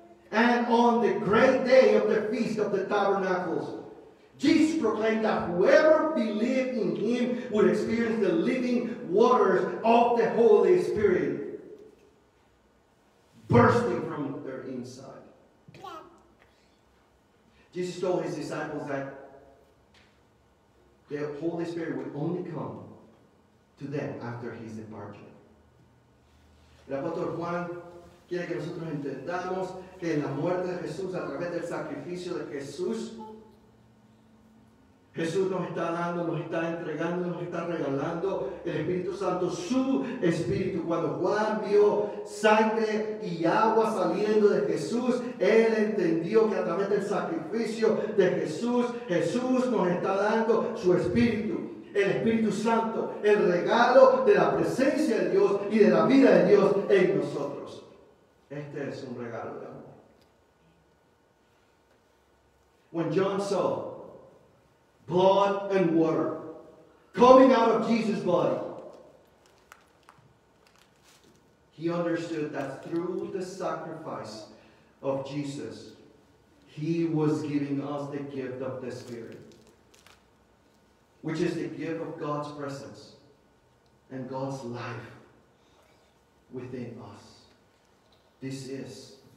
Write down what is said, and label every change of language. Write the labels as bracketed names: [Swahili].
[English] And on the great day of the Feast of the Tabernacles, Jesus proclaimed that whoever believed in him would experience the living waters of the Holy Spirit bursting from their inside. Jesus told his disciples that the Holy Spirit would only come to them after his departure. [Spanish] El apóstol Juan quiere que nosotros entendamos que en la muerte de Jesús, a través del sacrificio de Jesús, Jesús nos está dando, nos está entregando, nos está regalando el Espíritu Santo, su Espíritu. Cuando Juan vio sangre y agua saliendo de Jesús, él entendió que a través del sacrificio de Jesús, Jesús nos está dando su Espíritu, el Espíritu Santo, el regalo de la presencia de Dios y de la vida de Dios en nosotros. Este es un regalo de amor. [English] When John saw blood and water coming out of Jesus' body, he understood that through the sacrifice of Jesus, he was giving us the gift of the Spirit, which is the gift of God's presence and God's life within us. This is